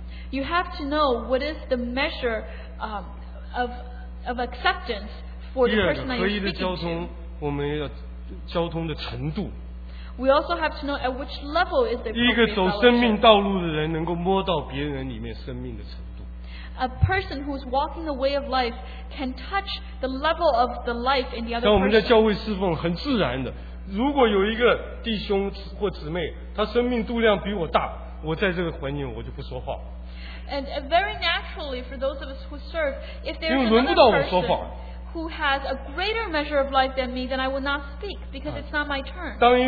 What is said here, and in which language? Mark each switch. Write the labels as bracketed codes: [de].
[en] You have to know what is the measure of acceptance for the person that you're speaking to. [zh] 我们要交通的程度。 [en] We also have to know at which level is the appropriate fellowship. [zh] 一个走生命道路的人能够摸到别人里面生命的程度。 [en] A person who's walking the way of life can touch the level of the life in the other person. [zh] 像我们在教会侍奉很自然的，如果有一个弟兄或姊妹，他生命度量比我大，我在这个环境我就不说话。 [en] And very naturally, for those of us who serve, if there is another person who has a greater measure of life than me, then I will not speak because it's not my turn.